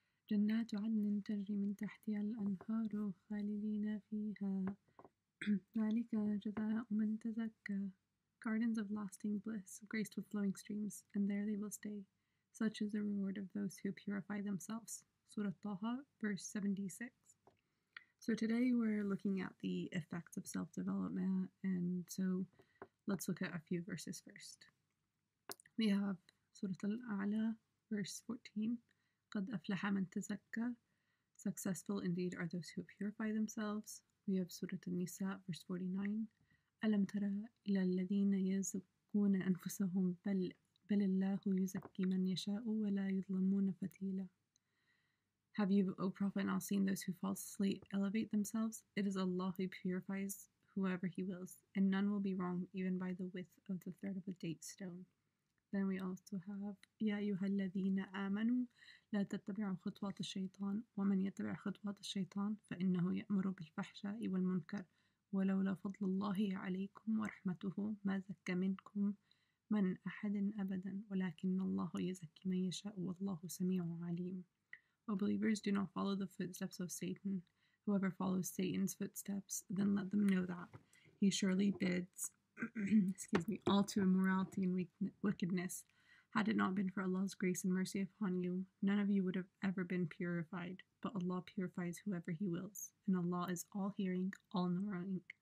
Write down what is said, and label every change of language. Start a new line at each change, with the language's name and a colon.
Arabic: جنات عدن تجري من تحتها الأنهار خالدين فيها ذلك جزاء من تزكى.
English: Gardens of lasting bliss, graced with flowing streams, and there they will stay. Such is the reward of those who purify themselves. Surah Taha, verse 76. So today we're looking at the effects of self-development, and so let's look at a few verses first. We have Surah Al-A'la, verse 14.
Arabic: قَدْ أَفْلَحَ مَنْ تَزَكَّى.
English: Successful indeed are those who purify themselves. We have Surah Al-Nisa, verse 49.
Arabic: أَلَمْ تَرَى إِلَى الَّذِينَ يَزَكُّونَ أَنفُسَهُمْ بَلِ اللَّهُ يُزَكِّي مَنْ يَشَاءُ وَلَا يُظْلَمُونَ فَتِيلًا.
English: Have you, O Prophet, not seen those who falsely elevate themselves? It is Allah who purifies whoever He wills, and none will be wronged even by the width of the thread of a date stone.
Arabic: Then we also have يَا أَيُّهَا الَّذِينَ آمَنُوا لَا تَتَّبِعُوا خُطْوَاتِ الشَّيْطَانِ وَمَنْ يَتَّبِعْ خُطْوَاتِ الشَّيْطَانِ فَإِنَّهُ يَأْمُرُ بِالْفَحْشَاءِ وَالْمُنْكَرِ وَلَوْلَا فَضْلُ اللَّهِ عَلَيْكُمْ وَرَحْمَتُهُ مَا زَكَّى مِنْكُمْ مَنْ أَحَدٍ أَبَدًا وَلَكِنَّ اللَّهَ يُزَكِّي مَنْ يَشَاءُ وَاللَّهُ سَمِيعٌ عَلِيمٌ.
English: O believers, do not follow the footsteps of Satan. Whoever follows Satan's footsteps, then let them know that he surely bids all to immorality and wickedness. Had it not been for Allah's grace and mercy upon you, none of you would have ever been purified. But Allah purifies whoever He wills, and Allah is all-hearing, all-knowing.